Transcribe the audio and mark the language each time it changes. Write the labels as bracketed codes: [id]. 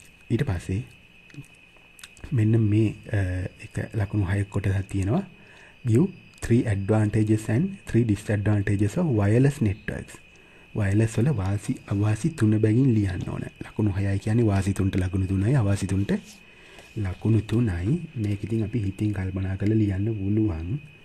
[si] ඊට පස්සේ මෙන්න මේ එක ලකුණු හයක් කොටසක් තියෙනවා. [en] view 3 advantages and 3 disadvantages of wireless networks. [si] wireless වල වාසි අවාසි තුන බැගින් ලියන්න ඕන. ලකුණු 6යි කියන්නේ වාසි තුනට ලකුණු 3යි, අවාසි තුනට ලකුණු 3යි. මේක ඉතින් අපි හිතින් කල්පනා කරලා ලියන්න පුළුවන්.